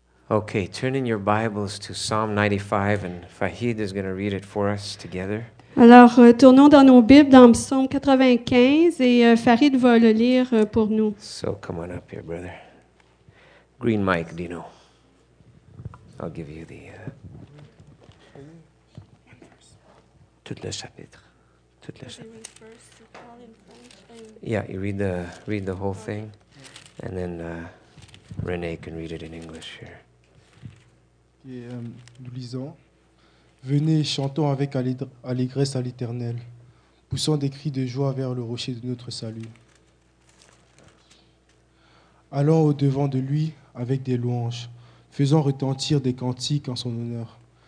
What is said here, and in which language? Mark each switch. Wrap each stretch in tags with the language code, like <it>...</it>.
<en>Okay, turn in your Bibles to Psalm 95 and Fahid is going to read it for us together.</en> <fr>Alors, tournons dans nos Bibles dans Psaume 95 et Fahid va le lire pour nous.</fr> <en>So, come on up here, brother. Green mic, Dino. I'll give you the...</en> <fr>tout le chapitre. Tout le chapitre.</fr> <en>Yeah, you read the whole thing and then Renee can read it in English here.</en> <fr>Et nous lisons, venez, chantons avec allégresse à l'Éternel, poussons des cris de joie vers le rocher de notre salut. Allons au-devant de lui avec des louanges, faisons retentir des cantiques en son honneur.</fr>